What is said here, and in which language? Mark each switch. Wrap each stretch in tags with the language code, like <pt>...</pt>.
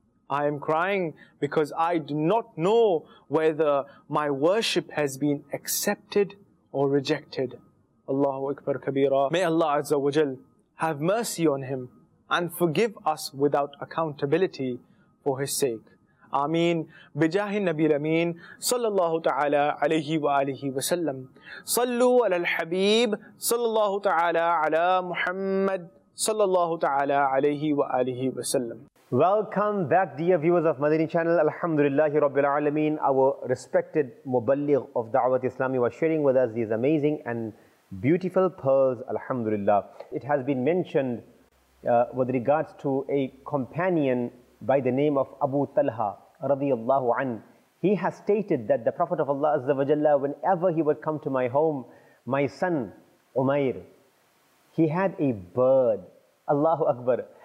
<en>I am crying because I do not know whether my worship has been accepted or rejected.</en> <ar>Allahu Akbar Kabira.</ar> <en>May Allah Azza wa Jal have mercy on him and forgive us without accountability for his sake.</en> <ar>آمین. بجاہ نبی الامین صلی اللہ تعالی علیہ وآلہ وسلم. صلو علی الحبیب صلی اللہ تعالی علی محمد صلی اللہ تعالی علیہ وآلہ وسلم.</ar> <en>Welcome back, dear viewers of Madani channel. Alhamdulillah Rabbil Alameen, our respected muballigh of Da'wat Islami was sharing with us these amazing and beautiful pearls. Alhamdulillah, it has been mentioned with regards to a companion by the name of Abu Talha radiyallahu an, he has stated that the Prophet of Allah Azza wa Jalla, whenever he would come to my home, my son Umair, he had a bird. Allahu Akbar.</en>